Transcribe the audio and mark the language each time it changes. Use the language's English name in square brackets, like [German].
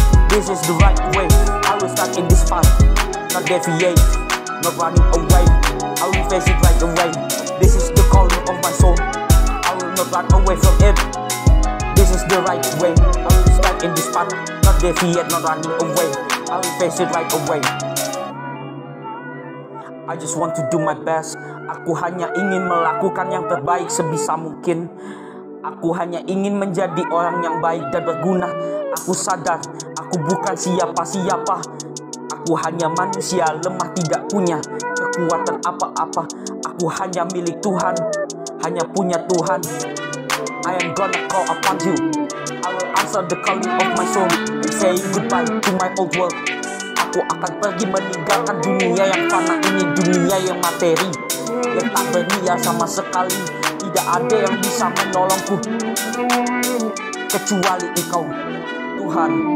[English] This is the right way, I will fight in this path. Not deviate, not running away, I will face it right away. This is the calling of my soul, I will not run away from it. This is the right way, I will stand in this path. Not defeat, not running away, I will face it right away. I just want to do my best, [Indonesian] aku hanya ingin melakukan yang terbaik sebisa mungkin. Aku hanya ingin menjadi orang yang baik dan berguna. Aku sadar, aku bukan siapa-siapa. Aku hanya manusia lemah, tidak punya kekuatan apa-apa. Aku hanya milik Tuhan, hanya punya Tuhan. [English] I am gonna call upon you, I will answer the calling of my soul, saying goodbye to my old world. [Indonesian] Aku akan pergi meninggalkan dunia yang fana ini, dunia yang materi yang tak berdaya sama sekali. Tidak ada yang bisa menolongku kecuali engkau, Tuhan.